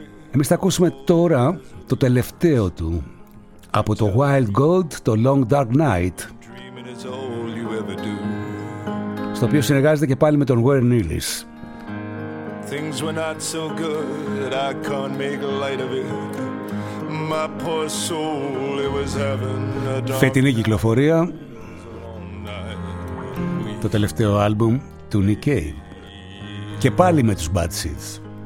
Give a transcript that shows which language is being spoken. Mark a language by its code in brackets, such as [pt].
[el] Εμείς θα ακούσουμε τώρα το τελευταίο του, από το Wild Gold, το Long Dark Night, στο οποίο συνεργάζεται και πάλι με τον Warren Ellis. [en] Things were not so good, I can't make light of it. My poor soul, it was having a dark. [el] Φετινή κυκλοφορία, το τελευταίο άλμπουμ του Nick Cave και πάλι με τους Bad Seeds.